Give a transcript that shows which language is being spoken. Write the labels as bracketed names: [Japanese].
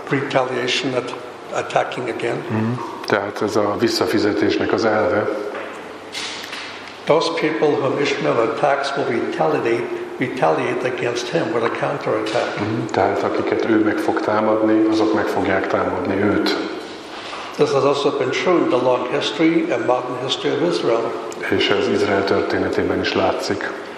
[English] Retaliation, at attacking again. Mm-hmm. [Hungarian] Tehát ez a visszafizetésnek az elve. [English] Those people whom Ishmael attacks will retaliate against him with a counterattack. Mm-hmm. [Hungarian] Tehát akiket ő meg fog támadni, azok meg fogják támadni őt. [English] This has also been true in the long history and modern history of Israel. [Hungarian] És ez Izrael történetében is látszik.